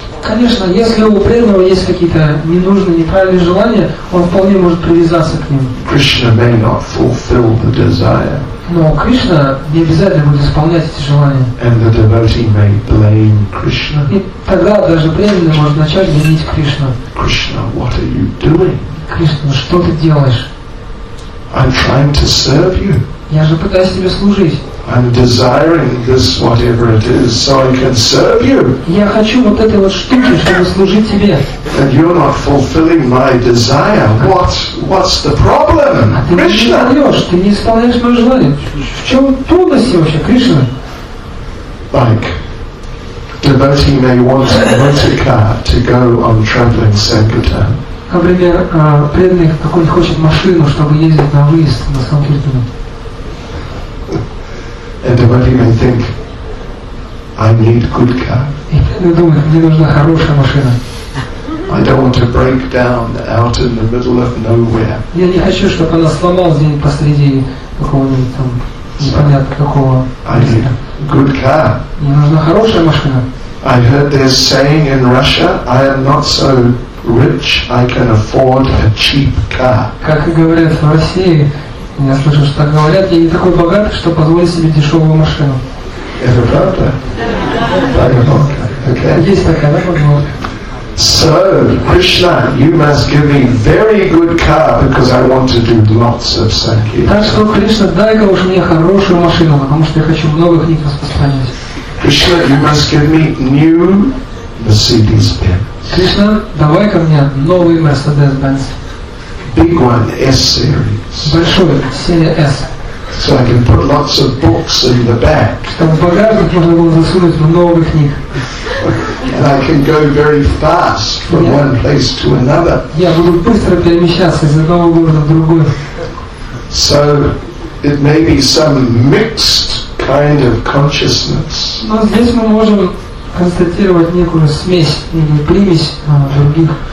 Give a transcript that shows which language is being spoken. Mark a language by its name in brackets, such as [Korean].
[Russian] Конечно, если у преданного есть какие-то ненужные, неправильные желания, он вполне может привязаться к ним. [English] Krishna may not fulfill the desire. [Russian] Но Кришна не обязательно будет исполнять эти желания. [English] And the devotee may blame Krishna. [Russian] И тогда даже преданный может начать винить Кришну. [English] Krishna, what are you doing? [Russian] Кришна, что ты делаешь? [English] I'm trying to serve you. [Russian] Я же пытаюсь тебе служить. [English] I'm desiring this, whatever it is, so I can serve you. [Russian] Я хочу вот этой вот штуки, чтобы служить тебе. [English] And you're not fulfilling my desire. What's the problem, Krishna? [Russian] Ты не исполняешь мое желание. В чем трудности вообще, Кришна? [English] Like, devotee may want a motor car to go on traveling sankirtan. [Russian] Например, преданный какой-нибудь хочет машину, чтобы ездить на выезд на сангхиртан. [English] And the devotee may think, I need good car. [Russian] Я думаю, мне нужна хорошая машина. [English] I don't want to break down out in the middle of nowhere. [Russian] Я не хочу, чтобы она сломалась где-нибудь посреди какого-нибудь там непонятно какого. [English] I need good car. [Russian] Мне нужна хорошая машина. [English] I heard there's saying in Russia, I am not so rich, I can afford a cheap car. [Russian] Как и говорят в России. Я слышал, что так говорят, я не такой богатый, что позволить себе дешевую машину. Это правда? Okay. Есть такая, да, поговорка? [English] So, Krishna, you must give me very good car because I want to do lots of sankirtan. [Russian] Так что, Кришна, дай-ка уж мне хорошую машину, потому что я хочу много книг распространять. [English] Krishna, you must give me new Mercedes Benz. [Russian] Кришна, давай-ка мне новый Mercedes Benz. [English] Big one, S series. [Russian] Большой, серия S. [English] So I can put lots of books in the back. [Russian] Чтобы в багажник можно было засунуть много книг. [English] And I can go very fast from one place to another. [Russian] Я буду быстро перемещаться из одного города в другой. [English] So it may be some mixed kind of consciousness. [Russian] Но здесь мы можем констатировать некую смесь, некую примесь других.